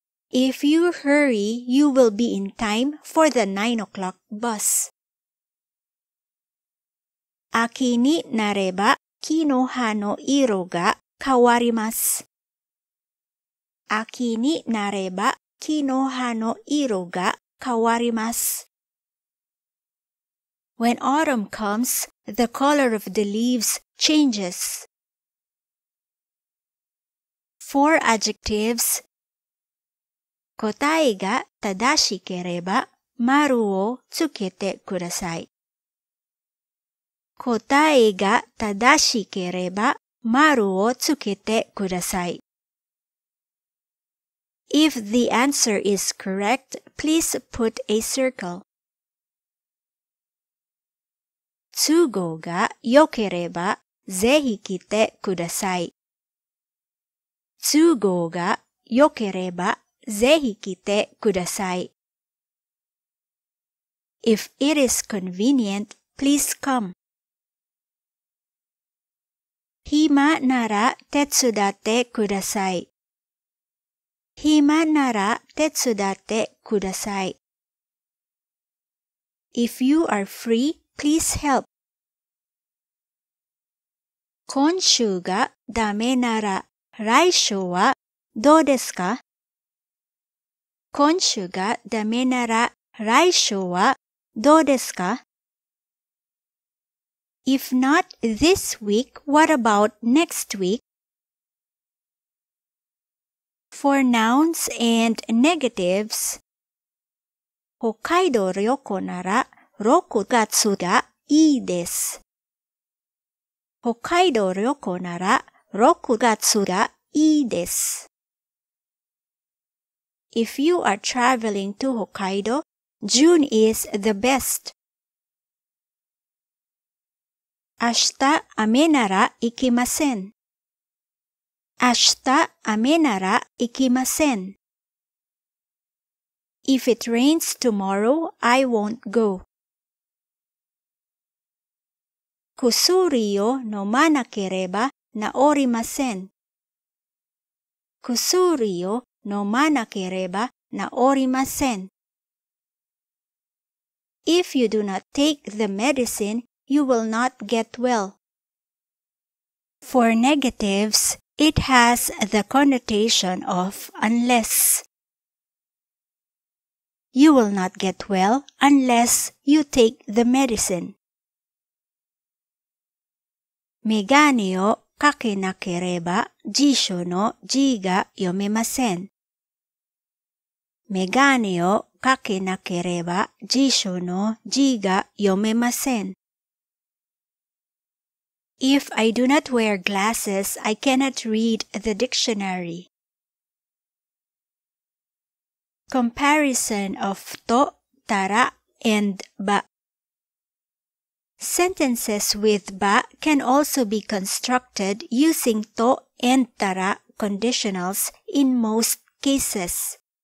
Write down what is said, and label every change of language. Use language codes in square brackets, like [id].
[en] If you hurry, you will be in time for the 9 o'clock bus. [ja] 秋になれば木の葉の色が変わります。秋になれば木の葉の色が変わります。 [en] When autumn comes, the color of the leaves changes. Four adjectives. [ja] 答えが正しければ丸をつけてください。答えが正しければ丸をつけてください。 [en] If the answer is correct, please put a circle. [ja] 都合が良ければ、ぜひ来てください。都合が良ければ、ぜひ来てください。 [en] If it is convenient, please come. [ja] 暇なら手伝ってください。暇なら手伝ってください。 [en] If you are free, please help. [ja] 今週がダメなら来週はどうですか？今週がダメなら来週はどうですか？ [en] If not this week, what about next week? For nouns and negatives, [ja] 北海道旅行なら6月がいいです。北海道旅行なら6月がいいです。 [en] If you are traveling to Hokkaido, June is the best. [ja] 明日雨なら行きません。明日雨なら行きません。 [en] If it rains tomorrow, I won't go. [ja] 薬を飲まなければ治りません。薬を飲まなければ治りません。 [en] If you do not take the medicine, you will not get well. For negatives,It has the connotation of unless. You will not get well unless you take the medicine. [ja] メガネをかけなければ辞書の字が読めません。メガネをかけなければ辞書の字が読めません。 [en] If I do not wear glasses, I cannot read the dictionary. Comparison of と、たら、and ば. Sentences with ば can also be constructed using と、and たら conditionals in most cases.